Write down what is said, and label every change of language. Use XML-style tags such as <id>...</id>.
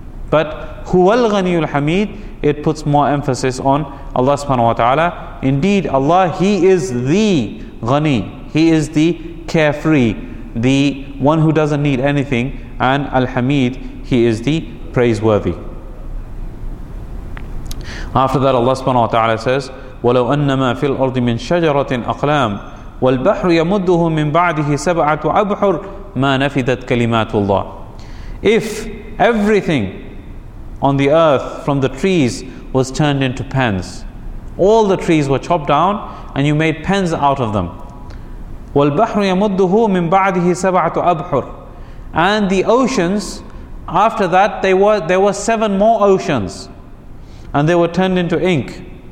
<en>But</en> <ar>هُوَ الْغَنِيُّ الْحَمِيدِ,</ar> <en>it puts more emphasis on Allah subhanahu wa ta'ala. Indeed, Allah, He is the ghani. He is the carefree, the one who doesn't need anything. And Al-Hamid, He is the praiseworthy. After that, Allah subhanahu wa ta'ala says,</en> <ar>وَلَوْ أَنَّمَا فِي الْأَرْضِ مِنْ شَجَرَةٍ أَقْلَامٍ وَالْبَحْرُ يَمُدُّهُ مِنْ بَعْدِهِ سَبْعَةُ أَبْحُرٍ مَا نَفِدَتْ كَلِمَاتُ اللَّهِ.</ar> <en>If everything on the earth from the trees was turned into pens, all the trees were chopped down and you made pens out of them.</en> <ar>وَالْبَحْرُ يَمُدُّهُ مِنْ بَعْدِهِ سَبْعَةُ أَبْحُرٍ.</ar> <en>And the oceans, after that, there were seven more oceans and they were turned into ink.</en>